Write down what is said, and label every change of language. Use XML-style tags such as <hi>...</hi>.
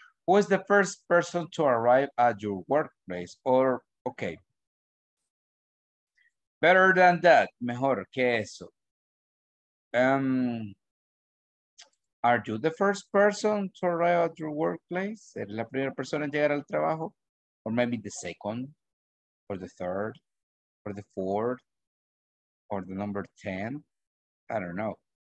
<en>Who is the first person to arrive at your workplace? Or, okay. Better than that,</en> <es>mejor que eso.</es> <en>Are you the first person to arrive at your workplace?</en> <es>¿Eres la primera persona en llegar al trabajo?</es> <en>Or maybe the second, or the third, or the fourth, or the number 10, I don't know.</en>